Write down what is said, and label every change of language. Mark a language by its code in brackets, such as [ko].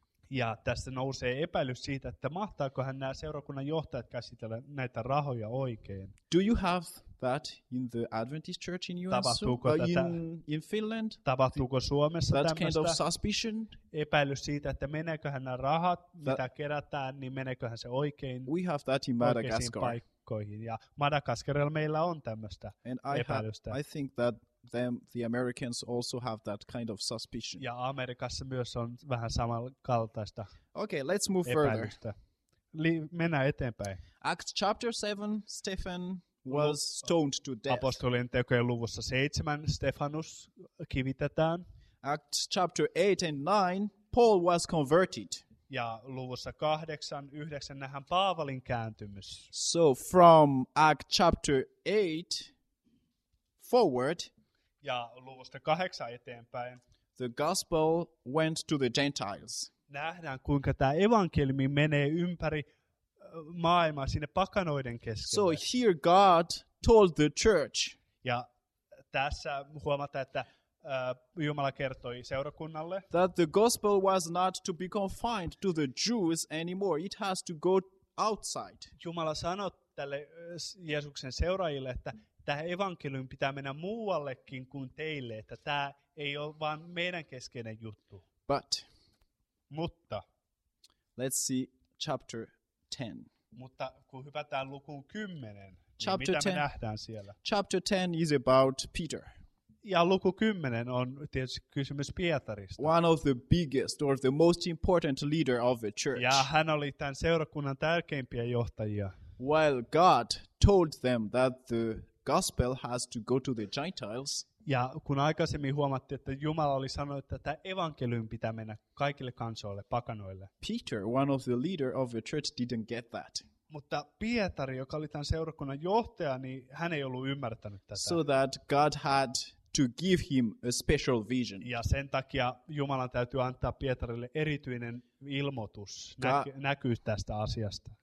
[fi] Ja tässä nousee epäilys siitä, että mahtaakohan nämä seurakunnan johtajat käsitellä näitä rahoja oikein. [en] Do you have that in the Adventist Church in Finland? [fi] Tapahtuuko Suomessa [en] that kind of suspicion? [fi] Epäilys siitä, että meneeköhän nämä rahat, mitä kerätään, niin meneeköhän se oikein? [en] We have that in Madagascar. [fi] Paikkoihin. Ja Madagaskarilla meillä on tämmöistä epäilystä. [en] I think that the Americans also have that kind of suspicion. [fi] Ja Amerikassa myös on vähän samankaltaista. [en] Okay, let's move [fi] epäilystä. [en] Further. [fi] Mennään eteenpäin. [en] Acts chapter 7, Stephen was stoned to death. [fi] Apostolien tekojen luvussa 7, Stefanus kivitetään. [en] Acts chapter 8 and 9, Paul was converted. [fi] Ja luvussa 8-9 nähdään Paavalin kääntymys. [en] So from Acts chapter 8 forward, [fi] ja luvusta 8 eteenpäin, [en] the gospel went to the Gentiles. [fi] Nähdään, kuinka tämä evankeliumi menee ympäri maailmaa sinne pakanoiden keskelle. [en] So here God told the church. [fi] Ja tässä huomataan, että Jumala kertoi seurakunnalle, [en] that the gospel was not to be confined to the Jews anymore. It has to go outside. [fi] Jumala sanoi tälle Jeesuksen seuraajille, että tämä evankeliumi pitää mennä muuallekin kuin teille, että tämä ei ole vaan meidän keskeinen juttu. Mutta [en] let's see chapter 10. [fi] Mutta kun hypätään lukuun 10, chapter niin mitä 10, me nähdään siellä? [en] Chapter 10 is about Peter. [fi] Ja luku 10 on tietysti kysymys Pietarista. [en] One of the biggest or the most important leader of the church. [fi] Ja hän oli tämän seurakunnan tärkeimpiä johtajia. [en] While God told them that the gospel has to go to the Gentiles. [fi] Ja kun aikaisemmin huomattiin, että Jumala oli sanonut, että tämä evankeliumi pitää mennä kaikille kansoille, pakanoille. [en] Peter, one of the leader of the church, didn't get that. [fi] Mutta Pietari, joka oli tämän seurakunnan johtaja, niin hän ei ollut ymmärtänyt tätä. [en] So that God had to give him a special vision. [fi] Ja sen takia Jumalan täytyy antaa Pietarille erityinen ilmoitus, näkyy tästä asiasta.